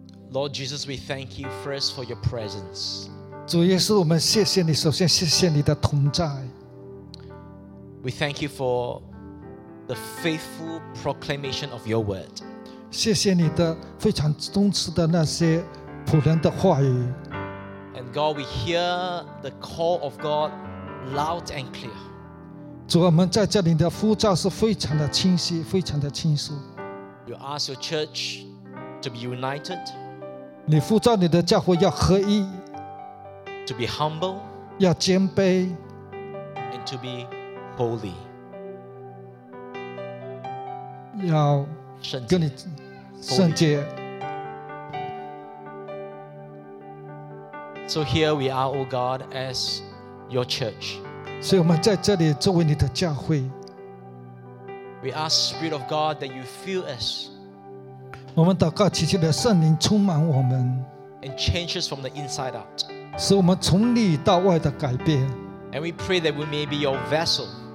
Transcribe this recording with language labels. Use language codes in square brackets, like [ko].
[en] Lord Jesus, we thank you first for your presence. [zh] 主耶稣，我们谢谢你，首先谢谢你的同在。 [en] We thank you for the faithful proclamation of your word. [zh] 谢谢你的非常忠实的那些仆人的话语。 [en] And God, we hear the call of God loud and clear. [zh] 主，我们在这里的呼召是非常的清晰，非常的清楚。 [en] You ask your church to be united. [zh] 你呼召你的教会要合一。 [en] To be humble. [zh] 要谦卑。 [en] And to be Holy, [zh] 要跟你圣洁。 [en] So here we are, O God, as your church. [zh] 所以我们在这里作为你的教会。 [en] We ask Spirit of God that you fill us. [zh] 我们祷告祈求的圣灵充满我们。 [en] And change us from the inside out. [zh] 使我们从里到外的改变。 [en] And we pray that we may be your vessel.